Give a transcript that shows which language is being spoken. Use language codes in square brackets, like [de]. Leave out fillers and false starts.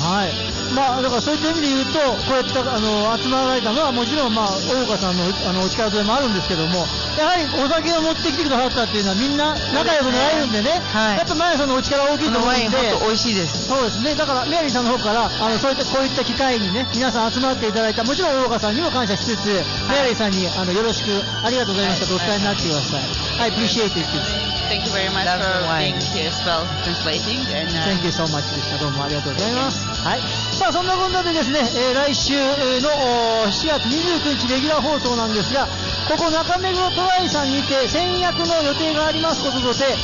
[ja] はい、まあ、だからそういった意味で言うと、こうやってあの集まられたのはもちろん、まあ、大岡さん のお力添えもあるんですけども、やはりお酒を持ってきてくださったっていうのはみんな仲良くなれるんでね、はい、やっぱ前さんのお力大きいと思うんで、このワイン本当美味しいです。そうですね、だからメアリーさんの方からあのそういったこういった機会にね、皆さん集まっていただいた、もちろん大岡さんにも感謝しつつ、はい、メアリーさんにあのよろしくありがとうございました、はい、お伝えになってください。はい、プレシエイティッツ。 [en] Thank you very much for being here as well, translating. And, Thank you so much. [ja] どうもありがとうございます。はい。さあ、そんなこんなでですね、来週の7月29日レギュラー放送なんですが、ここ中目黒トライさんにて先約の予定がありますことで、来